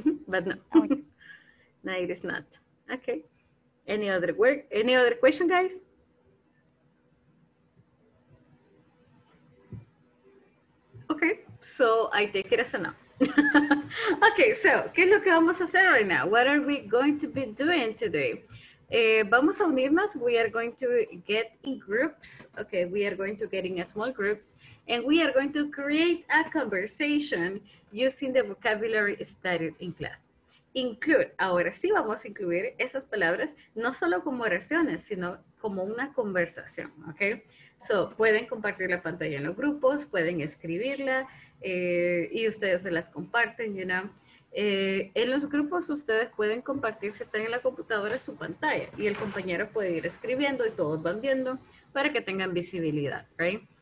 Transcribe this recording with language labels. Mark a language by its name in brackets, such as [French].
[English] But no. No, it is not. Okay. Any other word? Any other question, guys? Okay. So I take it as a no. Okay. [Spanish] So, ¿qué es lo que vamos a hacer [English] right now? What are we going to be doing today? [Spanish] Vamos a unirnos. [English] We are going to get in groups. Okay. We are going to get in a small groups. And we are going to create a conversation using the vocabulary studied in class. [Spanish] Include, ahora sí vamos a incluir esas palabras, no solo como oraciones, sino como una conversación, ¿ok? So, pueden compartir la pantalla en los grupos, pueden escribirla, y ustedes se las comparten, [English] you know. [Spanish] En los grupos ustedes pueden compartir, si están en la computadora, su pantalla, y el compañero puede ir escribiendo y todos van viendo para que tengan visibilidad, right?